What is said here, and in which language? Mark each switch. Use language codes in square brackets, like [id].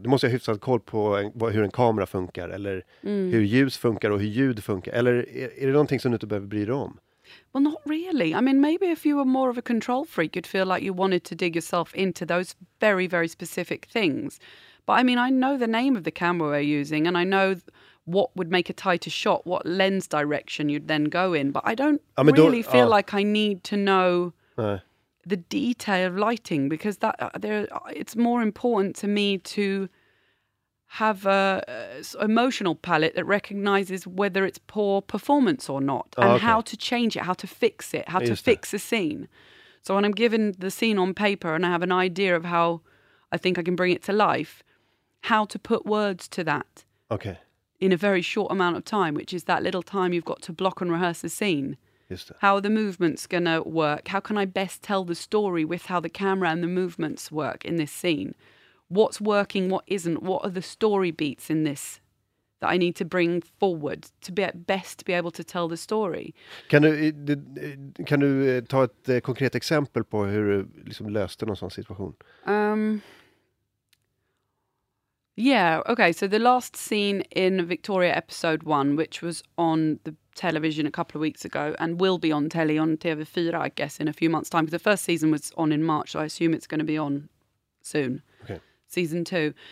[sv] Du måste ha hyfsat koll på hur en kamera funkar eller hur ljus funkar och hur ljud funkar, eller är det någonting som du inte behöver bry dig om? [en] Well, not really. I mean, maybe if you were more of a control freak you'd feel like you wanted to dig yourself into those very very specific things. But I mean, I know the name of the camera we're using and I know what would make a tighter shot, what lens direction you'd then go in. But I don't feel like I need to know the detail of lighting, because it's more important to me to have a emotional palette that recognizes whether it's poor performance or not how to change it, how to fix it, how to fix a scene. So when I'm given the scene on paper and I have an idea of how I think I can bring it to life, how to put words to that. Okay. In a very short amount of time, which is that little time you've got to block and rehearse a scene. Just that. How are the movements going to work? How can I best tell the story with how the camera and the movements work in this scene? What's working, what isn't? What are the story beats in this that I need to bring forward to be at best to be able to tell the story? [sv] Kan du ta ett konkret exempel på hur du liksom löste någon sån situation? [en] Yeah, okay, so the last scene in Victoria episode 1, which was on the television a couple of weeks ago and will be on telly on TV4, I guess, in a few months' time, because the first season was on in March, so I assume it's going to be on soon, season 2.